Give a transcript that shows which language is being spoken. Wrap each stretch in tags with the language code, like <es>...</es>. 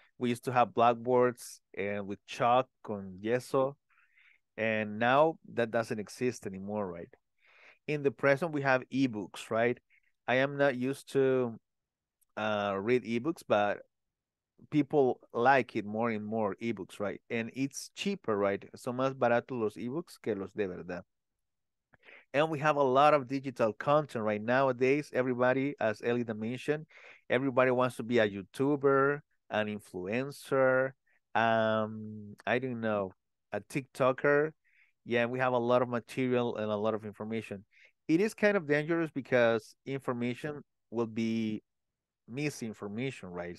<en>We used to have blackboards with chalk, con yeso. And now that doesn't exist anymore, right? In the present, we have ebooks, right? I am not used to read ebooks, but people like it more and more, ebooks, right? And it's cheaper, right?</en> <es>Son más baratos los ebooks que los de verdad.</es> <en>And we have a lot of digital content, right? Nowadays, everybody, as Elida mentioned, everybody wants to be a YouTuber, an influencer, I don't know, a TikToker. Yeah, we have a lot of material and a lot of information. It is kind of dangerous because information will be misinformation, right?</en>